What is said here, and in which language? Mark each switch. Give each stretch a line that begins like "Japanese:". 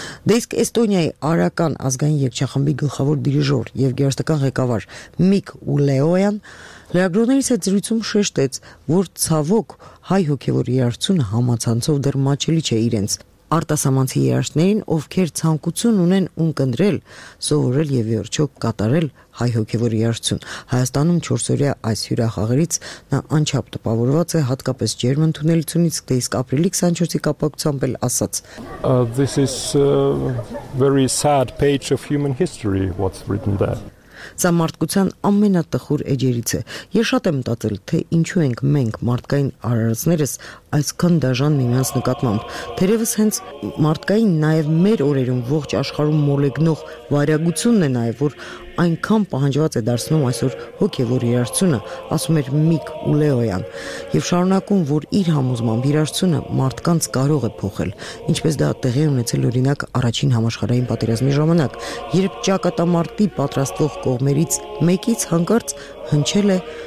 Armenian: Դե իսկ Էստոնիայի արական ազգային երգչախմբի գլխավոր դիրիժոր և գերաշտական ղեկավար Միկ Ուլեոյան լրագրողներից հետ զրույցում շեշտեց, որ ցավոք հայ հոգևոր երգչությունը համացանցով դեռ մաչելի չէ իրենց արտասամանցի երաժշտներին, ովքեր ցանկություն ունեն ունկնդրել, սովորել և վերջո կատարել հայ հոգևոր երաժշտություն։ Հայաստանում 4-օրյա այս հյուրախաղերից նա անչափ տպավորված է, հատկապես ջերմ ընդունելությունից, դե իսկ ապրիլի 24-ի կապակցությամբ էլ ասաց.
English: This is a very sad page of human history, what's written there.
Armenian: Սա մարդկության ամենատխուր էջերից է։ Ես շատ եմ մտածել, թե ինչու ենք մենք մարդկային արարածներս այսքան դաժան միմյանց նկատմամբ։ Թերևս հենց մարդկային նաև մեր օրերում ողջ աշխարհում մոլեգնող վարյագությունն է նաև, որ այնքան պահանջված է դարձնում այսօր հոգևոր երաժշտությունը, ասում էր Միկ Ուլեոյան, և շարունակում, որ իր համոզմամբ երաժշտությունը մարդկանց կարող է փոխել, ինչպես դա տեղի ունեցել օրինակ առաջին համաշխարհային պատերազմի ժամանակ, երբ ճակատամարտի պատրաստող կողմերից մեկից հանկարծ հնչել է